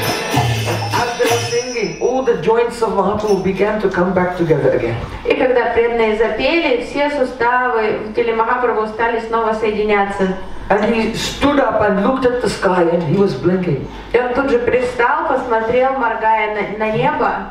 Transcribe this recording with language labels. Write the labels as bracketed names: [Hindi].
[English] the joints of Mahaprabhu began to come back together again. [Russian] И когда преданные запели, все суставы в теле Махапрабху стали снова соединяться. [English] And he stood up and looked at the sky, and he was blinking. [Russian] И он тут же пристал, посмотрел, моргая на небо.